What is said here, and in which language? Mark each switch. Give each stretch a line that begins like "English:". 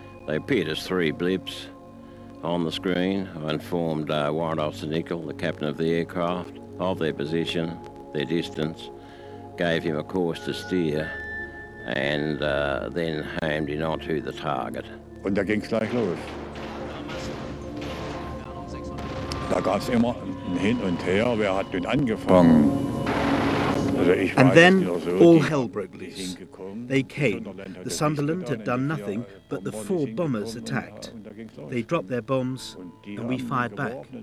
English: They appeared as three blips on the screen. I informed Warrant Officer Nickel, the captain of the aircraft, of their position, their distance, gave him a course to steer, and then homed in onto the target.
German: Und da ging's gleich los. Da gab's immer hin und her, wer hat denn angefangen?
English: And then all hell broke loose. They came. The Sunderland had done nothing, but the four bombers attacked. They dropped their bombs and we fired back.